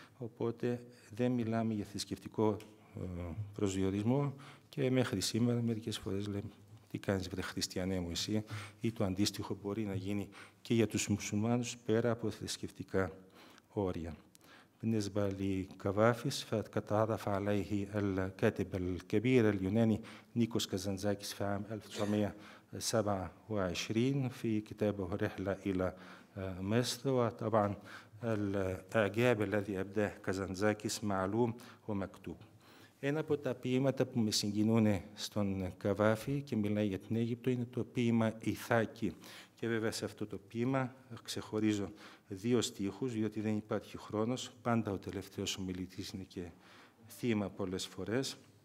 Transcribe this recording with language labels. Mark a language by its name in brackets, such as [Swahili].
[Greek] Οπότε δεν μιλάμε για θρησκευτικό προσδιορισμό και μέχρι σήμερα μερικές φορές λέμε τι κάνεις βρε χριστιανέ μου εσύ, ή το αντίστοιχο μπορεί να γίνει και για τους μουσουλμάνους πέρα από θρησκευτικά όρια. [Arabic] بالنسبه لكافافيس فتعرف عليه الكاتب الكبير اليوناني نيكوس كازانزاكيس في عام 1927 في كتابه رحله الى مصر وطبعا الاعجاب الذي ابداه كازانزاكيس معلوم ومكتوب. [Greek] Ένα από τα ποίηματα που με συγκινούν στον Καβάφη και μιλάει για την Αίγυπτο είναι το ποίημα «Ιθάκη». Και βέβαια σε αυτό το ποίημα ξεχωρίζω δύο στίχους, διότι δεν υπάρχει χρόνος. Πάντα ο τελευταίος ομιλητής είναι και θύμα πολλές φορές.